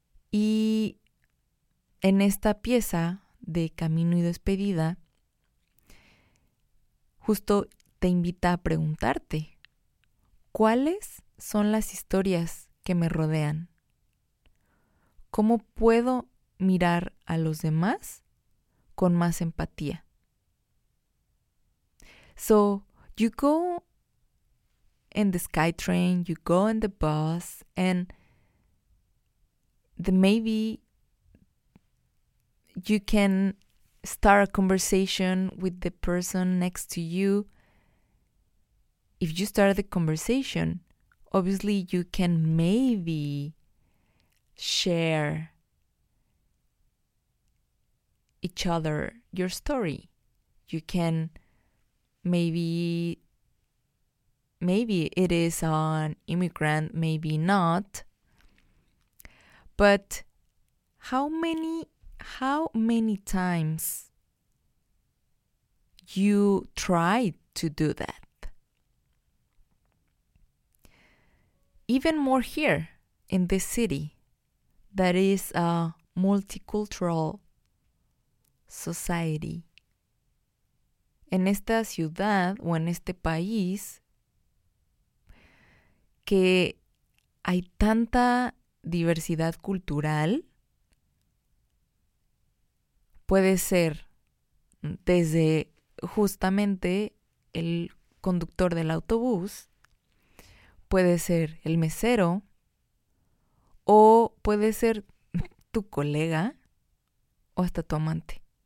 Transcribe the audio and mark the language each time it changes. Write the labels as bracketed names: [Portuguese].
[Spanish] Y en esta pieza de Camino y Despedida, justo te invita a preguntarte, ¿cuáles son las historias que me rodean? ¿Cómo puedo mirar a los demás con más empatía? [English] So, you go in the SkyTrain, you go in the bus, and maybe you can start a conversation with the person next to you. If you start the conversation, obviously you can maybe share each other your story. You can maybe it is an immigrant, maybe not. But how many times you tried to do that? Even more here in this city that is a multicultural society. [Spanish] En esta ciudad o en este país que hay tanta diversidad cultural, puede ser desde justamente el conductor del autobús, puede ser el mesero o puede ser tu colega o hasta tu amante.